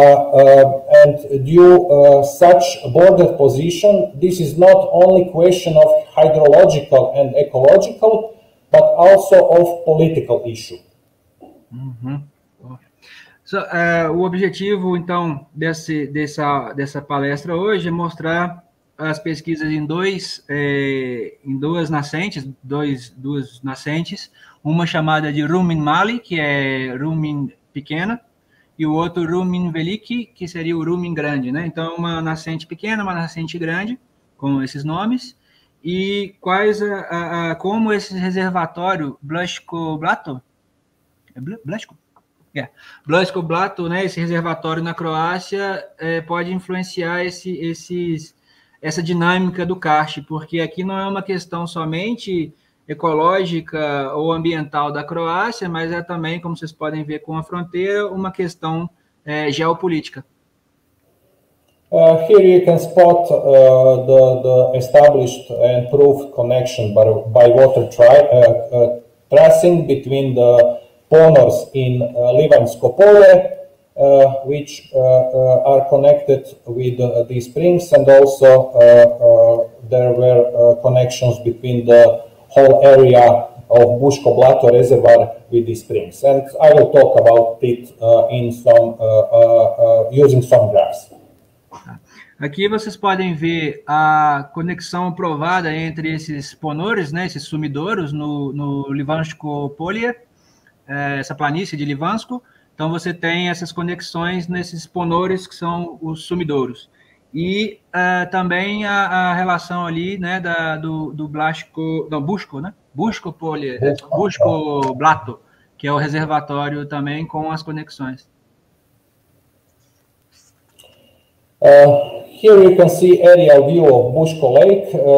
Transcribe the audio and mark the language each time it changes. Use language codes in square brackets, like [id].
[en] And due such border position, this is not only question of hydrological and ecological, but also of political issue. Uhum. [pt] So, o objetivo, então, dessa palestra hoje é mostrar as pesquisas em duas nascentes, uma chamada de Rumin Mali, que é Rumin pequena, e o outro Rumin Veliki, que seria o Rumin grande, né? Então, uma nascente pequena, uma nascente grande, com esses nomes. E quais como esse reservatório Blaško Blato? Blaško? Yeah. Blaško Blato, né? Esse reservatório na Croácia pode influenciar essa dinâmica do karst, porque aqui não é uma questão somente ecológica ou ambiental da Croácia, mas é também, como vocês podem ver com a fronteira, uma questão geopolítica. [en] Here you can spot the established and proved connection by water tracing between the ponors in Livansko Polje, which are connected with these springs, and also there were connections between the whole area of Buško Blato reservoir with these springs. And I will talk about it in some using some graphs. [pt] Aqui vocês podem ver a conexão provada entre esses ponores, né, esses sumidouros no Livansko Polje, essa planície de Livansko. Então você tem essas conexões nesses ponores que são os sumidouros. E também a relação ali, né, do Blaško, não, Buško, né? Buško Polje, Buško Blato, que é o reservatório também com as conexões. [en] Here you can see aerial view of Buško Lake.